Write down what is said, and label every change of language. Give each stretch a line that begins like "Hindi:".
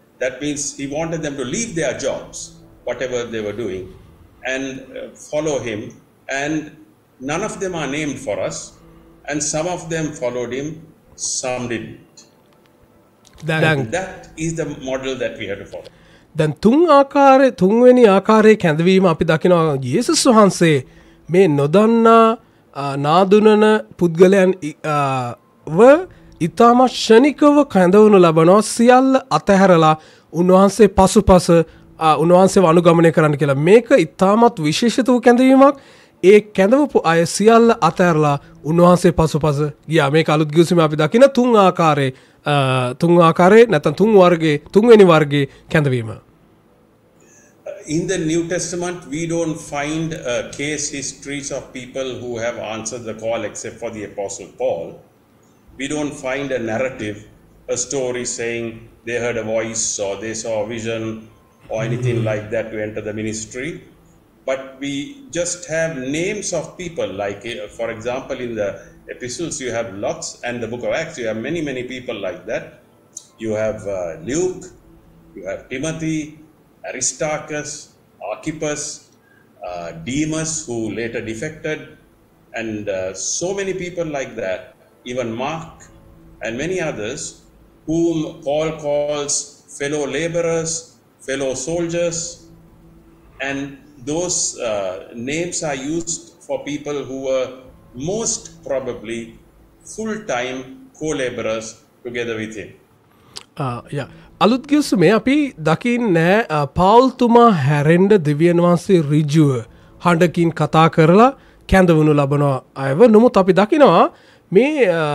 English: That means he wanted them to leave their jobs, whatever they were doing, and follow him. And none of them are named for us. And some of them followed him, some didn't. That is the model that we have to follow.
Sinhala: දැන් තුන් ආකාරයේ තුන්වෙනි ආකාරයේ කැඳවීම අපි දකිනවා යේසුස් වහන්සේ මේ නොදන්නා නාදුනන පුද්ගලයන් ව ඉතාම ක්ෂණිකව කැඳවනු ලබනවා සියල්ල අතහැරලා උන්වහන්සේ පසුපස උන්වහන්සේව අනුගමනය කරන්න කියලා මේක ඉතාමත් විශේෂිත වූ කැඳවීමක් ඒ කැඳවපු අය සියල්ල අතහැරලා උන්වහන්සේ පසුපස ගියා මේක අලුත් ගිවිසුම අපි දකින තුන් ආකාරයේ තුන් ආකාරයේ නැත්නම් තුන් වර්ගයේ තුන්වෙනි වර්ගයේ කැඳවීම
English: In the New Testament we don't find case histories of people who have answered the call except for the apostle Paul we don't find a narrative a story saying they heard a voice or they saw a vision or anything like that to enter the ministry but we just have names of people like for example in the Epistles, you have lots, and the book of Acts, you have many, many people like that. You have Luke, you have Timothy, Aristarchus, Archippus, Demas, who later defected, and so many people like that, even Mark, and many others, whom Paul calls fellow laborers, fellow soldiers, and those names are used for people who were most probably full-time co-laborers together with him.
Sinhala: අලුත් ගිවිසුමේ අපි දකින්නේ පාවුල්තුමා හැරෙන්න දිව්‍යනවාසී ඍජුව හඬකින් කතා කරලා කැඳවනු ලබනවා අයව නමුත් අපි දකිනවා මේ